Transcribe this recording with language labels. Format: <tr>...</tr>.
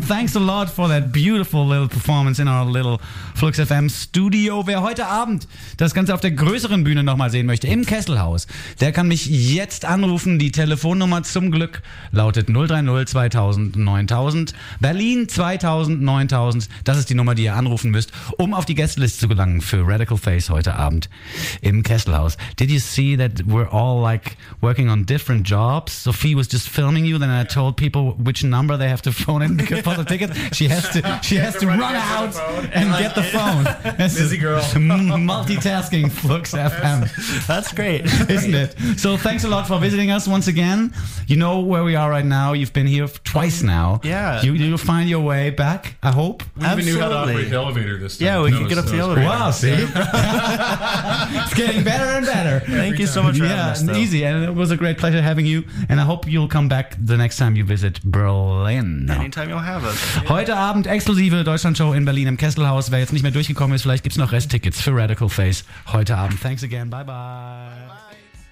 <en>Thanks a lot for that beautiful little performance in our little Flux FM Studio.</en> <de>Wer heute Abend das Ganze auf der größeren Bühne nochmal sehen möchte, im Kesselhaus, der kann mich jetzt anrufen. Die Telefonnummer zum Glück lautet 030 2000 9000. Berlin 2000 9000. Das ist die Nummer, die ihr anrufen müsst, um auf die Gästeliste zu gelangen für Radical Face heute Abend im Kesselhaus.</de> <en>Did you see that we're all like working on different jobs? Sophie was just filming you, then I told people which number they have to phone in for the ticket. She has to run out and get the phone. Busy girl. Multitasking Flux FM. That's great. Isn't it? So thanks a lot for visiting us once again. You know where we are right now. You've been here twice now. Yeah. You'll find your way back, I hope. We even knew how to operate the elevator this time. Yeah, we can get up the elevator. Wow, see? It's getting better and better. Thank you so much for having us, though. Easy. And it was a great pleasure having you. And I hope you'll come back the next time you visit Berlin. Anytime you'll have us. Yeah.</en> <de>Heute Abend exklusive Deutschlandshow in Berlin im Kesselhaus. Wer jetzt nicht mehr durchgekommen ist, vielleicht gibt es noch Resttickets für Radical Face heute Abend.</de> <en>Thanks again. Bye-bye. Bye-bye.</en>